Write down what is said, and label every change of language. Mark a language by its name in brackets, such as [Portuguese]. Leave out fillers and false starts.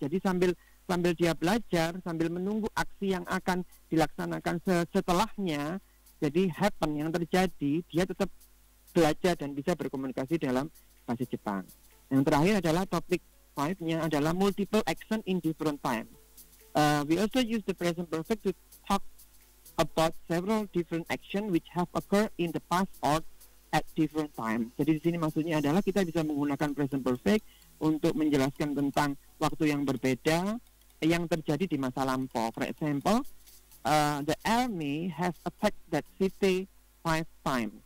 [Indonesian] Jadi sambil dia belajar, sambil menunggu aksi yang akan dilaksanakan setelahnya, jadi happen yang terjadi, dia tetap belajar dan bisa berkomunikasi dalam bahasa Jepang. Yang terakhir adalah topik 5-nya adalah [English] multiple action in different time. We also use the present perfect to talk about several different action which have occurred in the past or at different time. [Indonesian] Jadi di sini maksudnya adalah kita bisa menggunakan present perfect untuk menjelaskan tentang waktu yang berbeda yang terjadi di masa lampau. [English] For example, the army has attacked that city 5 times.